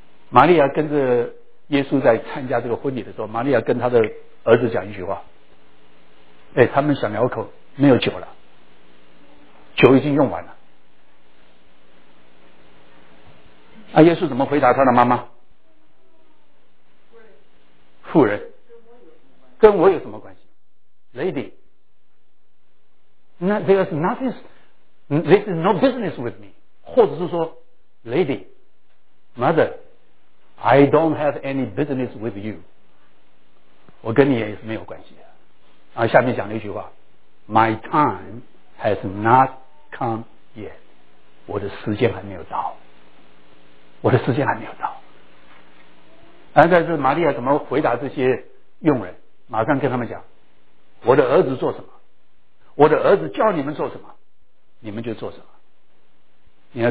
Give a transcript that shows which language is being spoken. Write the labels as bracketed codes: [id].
[zh] 玛利亚跟着耶稣在参加这个婚礼的时候，玛利亚跟他的儿子讲一句话，哎，他们想聊口没有酒了，酒已经用完了。耶稣怎么回答他的妈妈？妇人，跟我有什么关系？ Lady， [en] there's nothing, this is no business with me. 或者是说 Lady, Mother, I don't have any business with you. [zh] 我跟你也是没有关系的。然后下面讲了一句话， My time has not come yet. 我的时间还没有到，我的时间还没有到。然后这是玛利亚怎么回答这些佣人，马上跟他们讲，我的儿子做什么，我的儿子叫你们做什么，你们就做什么。